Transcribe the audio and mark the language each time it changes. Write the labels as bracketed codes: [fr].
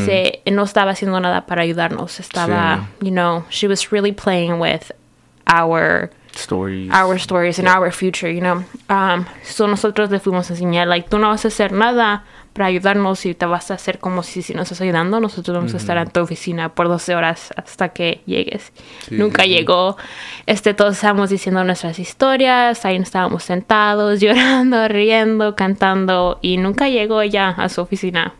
[es] se dice, no estaba haciendo nada para ayudarnos. [en] Estaba, you know, she was really playing with our stories and our future, you know. [es] So nosotros le fuimos a enseñar, like, tú no vas a hacer nada para ayudarnos y te vas a hacer como si nos estás ayudando. Nosotros vamos mm-hmm. a estar en tu oficina por 12 horas hasta que llegues. Sí. Nunca llegó. Todos estábamos diciendo nuestras historias, ahí estábamos sentados, llorando, riendo, cantando, y nunca llegó ella a su oficina.